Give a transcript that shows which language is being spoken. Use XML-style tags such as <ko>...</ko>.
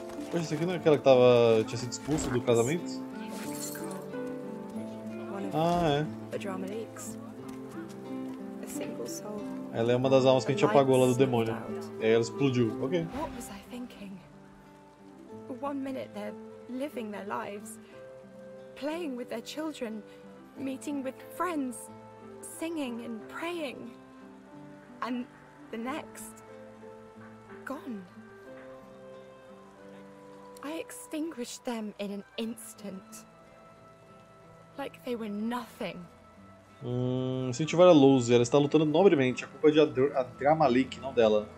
<pt>Poxa, isso aqui não é aquela que tava, tinha sido expulsa do casamento? Ah, é. Ela é uma das almas que a gente apagou lá do demônio. E aí ela explodiu. Ok.</pt> <en>One minute they're living their lives, playing with their children, meeting with friends, singing and praying, and the next, gone. I extinguished them in an instant, like they were nothing.</en> <pt>Senti várias luzes. Ela está lutando nobremente. A culpa é de Adramalik, não dela.</pt>